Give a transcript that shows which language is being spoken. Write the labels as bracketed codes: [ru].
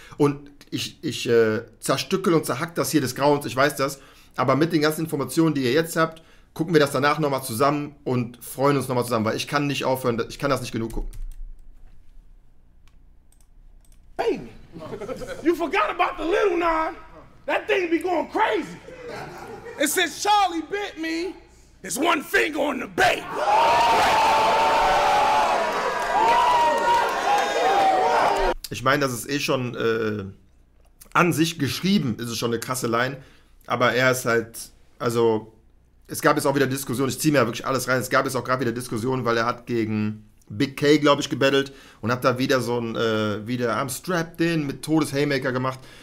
[de] Und ich zerstückel und zerhack das hier des Grauens, ich weiß das. Aber mit den ganzen Informationen, die ihr jetzt habt, gucken wir das danach nochmal zusammen und freuen uns nochmal zusammen, weil ich kann nicht aufhören, ich kann das nicht genug gucken. [en] You forgot about the little nine. That thing be going crazy. And since Charlie bit me, it's one finger on the bait. [de] Ich meine, das ist eh schon an sich geschrieben, ist es schon eine krasse Line. Aber er ist halt, also es gab jetzt auch wieder Diskussionen, ich ziehe mir ja wirklich alles rein, es gab jetzt auch gerade wieder Diskussionen, weil er hat gegen Big K, glaube ich, gebattelt und hat da wieder so ein, wieder [en] I'm strapped in [de] mit Todes-Haymaker gemacht.